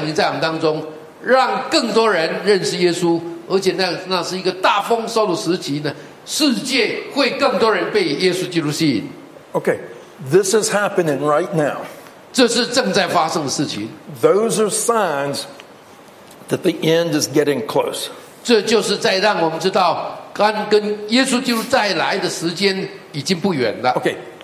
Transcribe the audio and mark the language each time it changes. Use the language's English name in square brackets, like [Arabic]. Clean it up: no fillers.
[Chinese] 所以我在这里要告诉我们诸位，不久以后圣灵会大大的降临在我们当中，让更多人认识耶稣。而且那是一个大丰收的时期呢，世界会更多人被耶稣基督吸引。Okay, [English] this is happening right now. [Chinese] 这是正在发生的事情。Those [English] are signs that the end is getting close. [Chinese] 这就是在让我们知道，跟耶稣基督再来的时间已经不远了。Okay,